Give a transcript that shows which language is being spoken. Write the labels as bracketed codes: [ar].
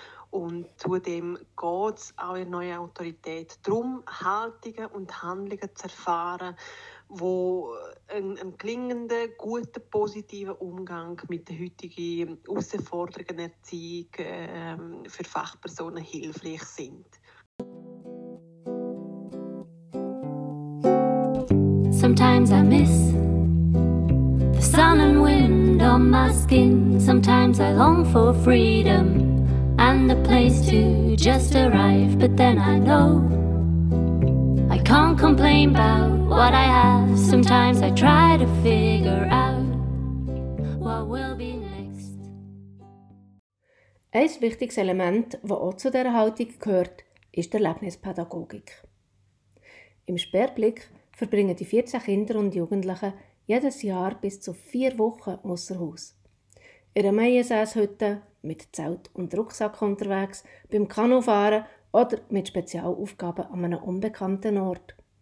[de] Und zudem geht es auch in neuer Autorität darum, Haltungen und Handlungen zu erfahren, wo einen gelingenden, guten, positiven Umgang mit den heutigen Herausforderungen Erziehung für Fachpersonen hilfreich sind. [en] Sometimes I miss the sun and wind on my skin. Sometimes I long for freedom and a place to just arrive. But then I know I can't complain about what I have. Sometimes I try to figure out what will be next. [de] Ein wichtiges Element, das auch zu dieser Haltung gehört, ist die Erlebnispädagogik. Im Sperrblick verbringen die 14 Kinder und Jugendlichen jedes Jahr bis zu 4 Wochen ausser Haus. Ihre Meiensäßhütte mit Zelt und Rucksack unterwegs, beim Kanufahren oder mit Spezialaufgaben an einem unbekannten Ort.